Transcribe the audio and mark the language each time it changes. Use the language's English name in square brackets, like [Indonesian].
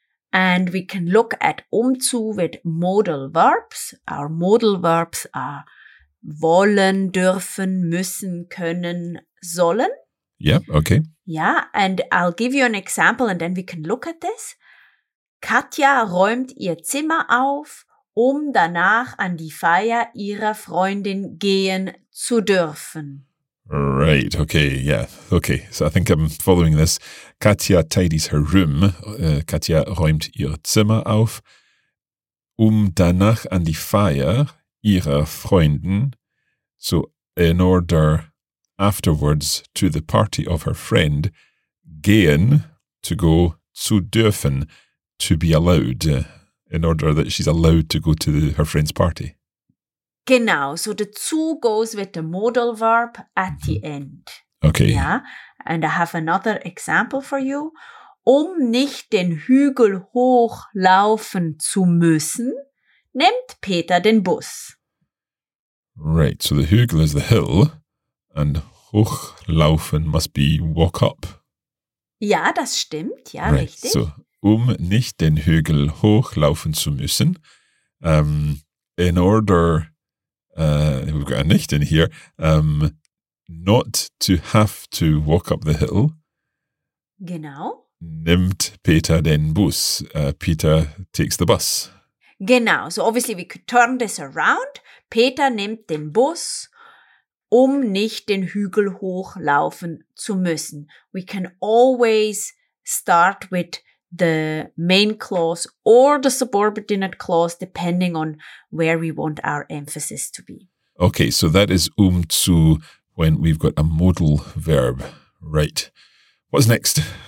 [English] And we can look at zu with modal verbs. Our modal verbs are wollen, dürfen, müssen, können, sollen. Yeah, okay. Yeah, and I'll give you an example and then we can look at this. [German] Katja räumt ihr Zimmer auf, danach an die Feier ihrer Freundin gehen zu dürfen. [English] Right, okay, yeah, okay. So I think I'm following this. Katja tidies her room. [German] Katja räumt ihr Zimmer auf, danach an die Feier ihrer Freunden. [English] So in order afterwards to the party of her friend, gehen, to go, zu dürfen, to be allowed, in order that she's allowed to go to her friend's party. Genau, so the zu goes with the modal verb at the end. Okay. Yeah, and I have another example for you. [German] um nicht den Hügel hochlaufen zu müssen, nimmt Peter den Bus. [English] Right, so the Hügel is the hill and hochlaufen must be walk up. [German] Ja, das stimmt, ja, right, richtig. [English] So, [German] um nicht den Hügel hochlaufen zu müssen, [English] in order, we've got a nicht in here, not to have to walk up the hill. [German] Genau. Nimmt Peter den Bus. [English] Peter takes the bus. Genau. So obviously we could turn this around. [German] Peter nimmt den Bus, um nicht den Hügel hochlaufen zu müssen. [English] We can always start with the main clause or the subordinate clause, depending on where we want our emphasis to be. Okay, so that is zu when we've got a modal verb. Right. What's next?